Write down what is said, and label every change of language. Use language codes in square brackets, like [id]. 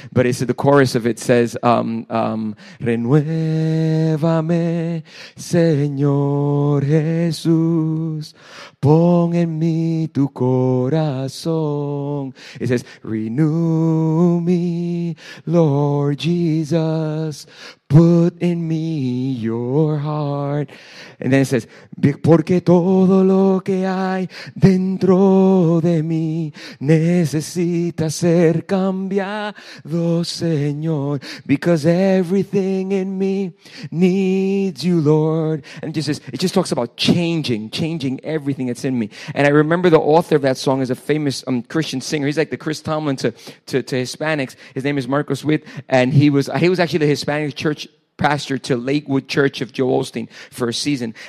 [en] But it's the chorus of it says, [es] renuévame, Señor Jesús. Pon en mí tu corazón. [en] It says, renew me, Lord Jesus. Put in me your heart. And then it says, [es] porque todo lo que hay dentro de mí necesita ser cambiado, Señor. [en] Because everything in me needs you, Lord. And it just talks about changing everything that's in me. And I remember the author of that song is a famous Christian singer. He's like the Chris Tomlin to Hispanics. His name is Marcos Witt. And he was actually the Hispanic church pastor to Lakewood Church of Joel Osteen for a season.